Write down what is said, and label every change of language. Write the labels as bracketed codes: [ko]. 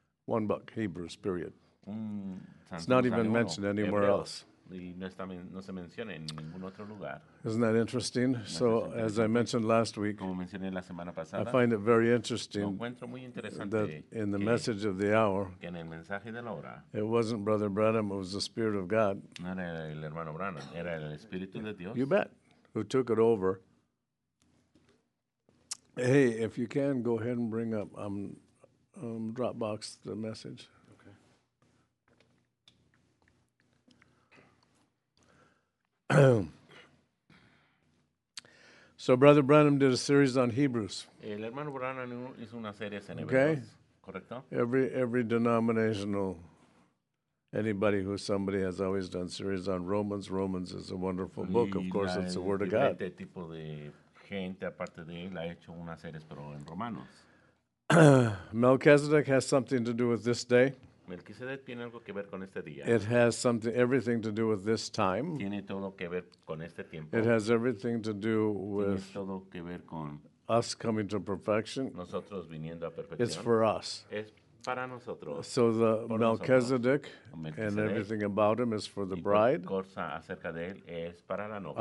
[en] One book, Hebrews, period. It's not even mentioned anywhere else. [es] No se menciona en ningún otro lugar. [en] Isn't that interesting? So, as I mentioned last week, [es] como mencioné la semana pasada, [en] I find it very interesting [es] muy [en] that in the message of the hour, [es] que en el mensaje de la hora, [en] it wasn't Brother Branham, it was the Spirit of God. [es] No era el hermano Branham, era el Espíritu de Dios. [en] You bet. Who took it over. Hey, if you can, go ahead and bring up Dropbox the message. So, Brother Branham did a series on Hebrews. [es] El hermano Branham hizo una serie en Hebreos. [en] Okay. [es] Correcto. [en] Every denominational, anybody who's somebody has always done series on Romans. Romans is a wonderful book. Of course, it's the Word of God. [es] Y diferente tipo de gente, aparte de él, ha hecho una serie, pero en Romanos. [en] Melchizedek has something to do with this day. [es] Melquisedec tiene algo que ver con este día. [en] It has something, everything to do with this time. [es] Tiene todo que ver con este tiempo. [en] It has everything to do with [es] tiene todo que ver con [en] us coming to perfection. [es] Nosotros viniendo a perfección. [en] It's for us. [es] Es para nosotros. [en] So the Melchizedek and everything about him is for the bride. [es] Cosa acerca de él es para la novia.